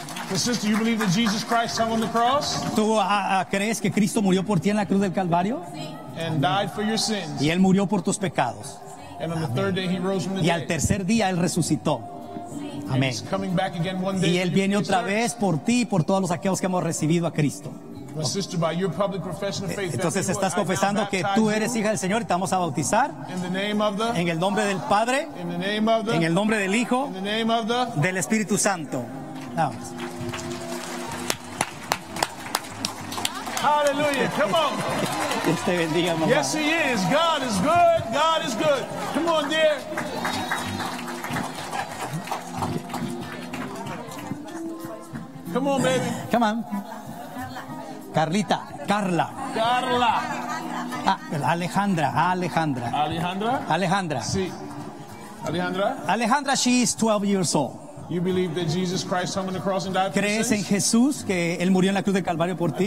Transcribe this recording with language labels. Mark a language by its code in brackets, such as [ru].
[en] So sister, you believe that Jesus Christ hung on the cross? [es] ¿Tú crees que Cristo murió por ti en la cruz del Calvario? Sí. [en] And died for your sins. [es] Y él murió por tus pecados. [en] And on the third day he rose from the [es] dead. Y al tercer día él resucitó. Amén. [en] He's coming back again one day. [es] Y él viene otra vez por ti y por todos los aquellos que hemos recibido a Cristo. [en] My sister, by your public profession of faith, [es] entonces estás confesando que tú eres hija del Señor y te vamos a bautizar [en] in the name of the, [es] en el nombre del Padre, [en] in the name of the, [es] en el nombre del Hijo, [en] in the name of the, [es] del Espíritu Santo. Vamos. [en] Hallelujah. Come on. [es] Bendiga, mamá. [en] Yes, he is. God is good. God is good. Come on, dear. Come on, baby. Come on. Carlita. Carla. Carla. Alejandra. Alejandra. Alejandra. Alejandra. [es] Sí. Alejandra. [en] Alejandra, she is 12 years old. You believe that Jesus Christ hung on the cross and died for your sins? [es] ¿Crees en Jesús que él murió en la cruz del Calvario por ti?